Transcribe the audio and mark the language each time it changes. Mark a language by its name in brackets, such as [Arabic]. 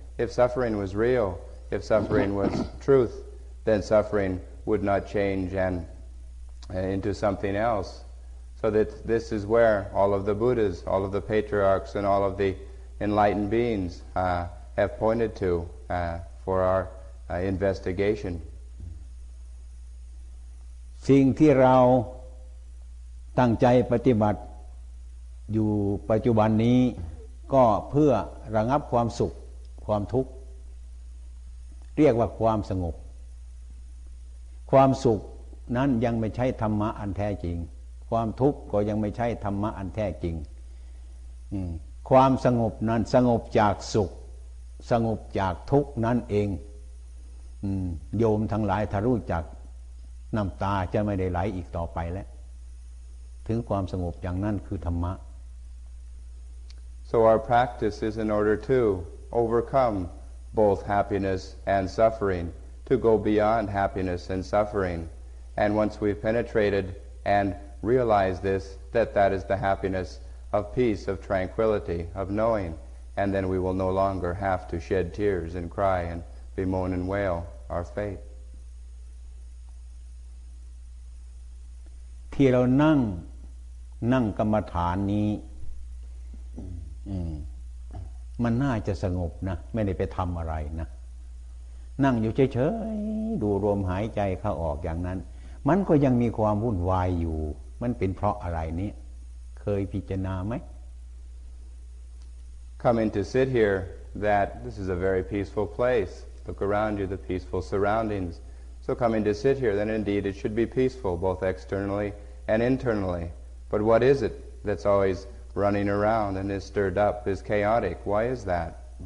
[English] If suffering was real, if suffering was truth, then suffering would not change and into something else. So that this is where all of the Buddhas, all of the patriarchs, and all of the enlightened beings have pointed to for our investigation. [Thai] สิ่งที่เราตั้งใจปฏิบัติอยู่ปัจจุบันนี้ก็เพื่อระงับความสุขความทุกข์เรียกว่าความสงบ ความสุขนั้นยังไม่ใช่ธรรมะอันแท้จริงความทุกข์ก็ยังไม่ใช่ธรรมะอันแท้จริงความสงบนั้นสงบจากสุขสงบจากทุกข์นั่นเองโยมทั้งหลายถ้ารู้จักน้ำตาจะไม่ได้ไหลอีกต่อไปแล้วถึงความสงบอย่างนั้นคือธรรมะ [English] So our practice is in order to overcome both happiness and suffering, to go beyond happiness and suffering. And once we've penetrated and realized this, that that is the happiness of peace, of tranquility, of knowing, and then we will no longer have to shed tears and cry and bemoan and wail our fate. [Thai] ที่เรานั่งนั่งกรรมฐานนี้มันน่าจะสงบนะไม่ได้ไปทำอะไรนะนั่งอยู่เฉยๆดูลมหายใจเข้าออกอย่างนั้นมันก็ยังมีความวุ่นวายอยู่มันเป็นเพราะอะไรนี่เคยพิจารณาไหม [English] Come in to sit here that this is a very peaceful place look around you the peaceful surroundings so come in to sit here then indeed it should be peaceful both externally and internally but what is it that's alwaysrunning around and is stirred up is chaotic why is that